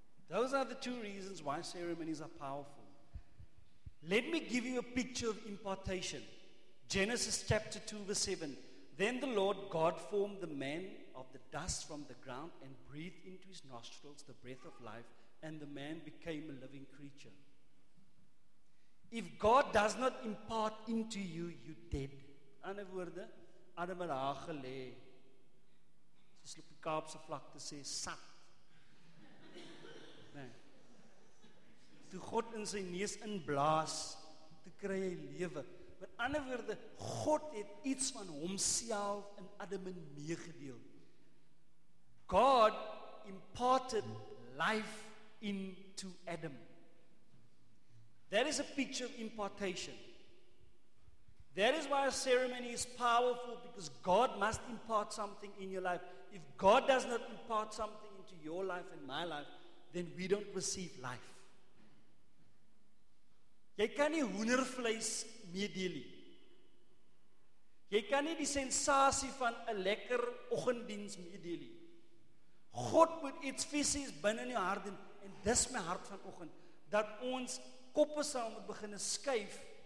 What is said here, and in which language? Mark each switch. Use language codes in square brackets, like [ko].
[en] Those are the two reasons why ceremonies are powerful. Let me give you a picture of impartation. Genesis chapter 2 verse 7. Then the Lord God formed the man of the dust from the ground and breathed into his nostrils the breath of life, and the man became a living creature. If God does not impart into you, you're dead. In other words, Adam and Hawa lay. [af] Soos op die Kaapse vlakte sê, sat. Nee. Toe God in sy neus inblaas, toe kry hy lewe. In ander woorde, God het iets van homself in Adam en meegedeel. [en] God imparted life into Adam. That is a picture of impartation. That is why a ceremony is powerful, because God must impart something in your life. If God does not impart something into your life and my life, then we don't receive life. [af] Jy kan nie hoendervleis meedeel nie. Jy kan nie die sensasie van 'n lekker oggenddiens meedeel nie. God moet iets fisies binne in jou hart doen, en dis my hart vanoggend, dat ons koppe saam moet begin skuif.